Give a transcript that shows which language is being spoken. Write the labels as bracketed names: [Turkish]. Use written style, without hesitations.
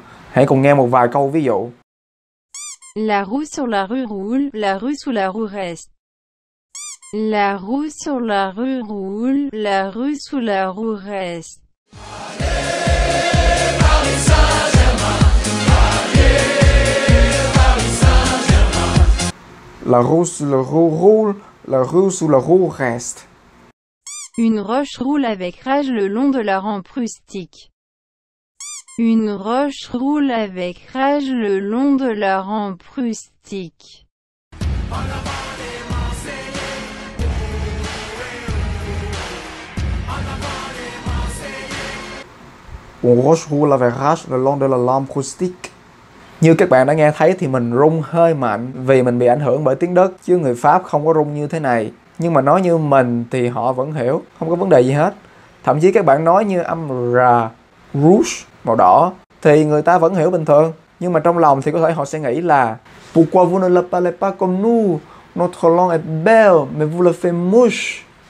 [Vietnamese] Hãy cùng nghe một vài câu ví dụ. [French] La roue sur la rue roule, la rue sous la roue reste. La roue sur la rue roule, la rue sous la roue reste. La roue sur la rue roule, la rue sous la roue reste. Une roche roule avec rage le long de la rampe rustique. Une roche roule avec rage le long de la rampe rustique. Une roche roule avec rage le long de la rampe rustique. [Vietnamese] Như các bạn đã nghe thấy thì mình rung hơi mạnh vì mình bị ảnh hưởng bởi tiếng Đức, chứ người Pháp không có rung như thế này. Nhưng mà nói như mình thì họ vẫn hiểu, không có vấn đề gì hết. Thậm chí các bạn nói như âm R, rouge, màu đỏ, thì người ta vẫn hiểu bình thường. Nhưng mà trong lòng thì có thể họ sẽ nghĩ là [French] Pourquoi vous ne le parlez pas comme nous? Notre langue est belle, mais vous le faites mouche.